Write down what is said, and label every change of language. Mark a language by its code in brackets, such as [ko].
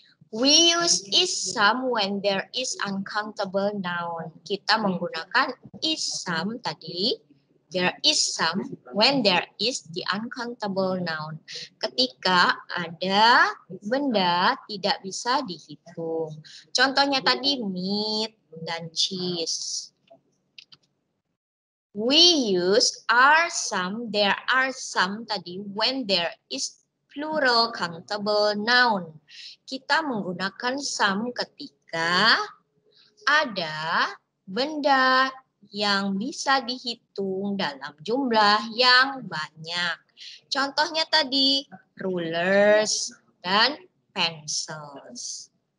[en] We use is some when there is uncountable noun. [id] Kita menggunakan [en] is some [id] tadi. [en] There is some when there is the uncountable noun. [id] Ketika ada benda tidak bisa dihitung. Contohnya tadi meat dan cheese. [en] We use are some, there are some [id] tadi [en] when there is plural countable noun. [id] Kita menggunakan some ketika ada benda yang bisa dihitung dalam jumlah yang banyak. Contohnya tadi rulers dan pencils.